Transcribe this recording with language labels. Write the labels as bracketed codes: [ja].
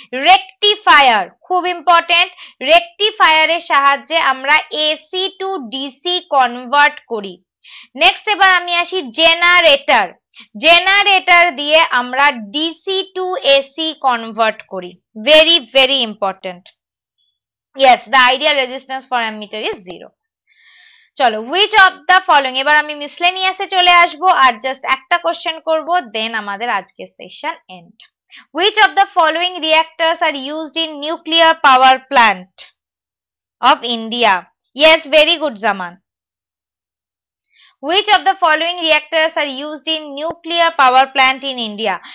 [bn] Rectifier, খুব important, রেক্টিফায়ারের সাহায্যে আমরা এসি টু ডিসি কনভার্ট করি। নেক্সট এবার আমি আসি জেনারেটর। জেনারেটর দিয়ে আমরা ডিসি টু এসি কনভার্ট করি, very very important. [en] Yes, the ideal resistance for ammeter is zero. [bn] চলো, [en] which of the following, [bn] এবার আমি মিসলেনিয়াসে চলে আসব আর জাস্ট একটা কোশ্চেন করব, দেন আমাদের আজকে session and. [en] Which of the following reactors are used in nuclear power plant of India? Yes, very good Zaman. Which of the following reactors are used in nuclear power plant in India?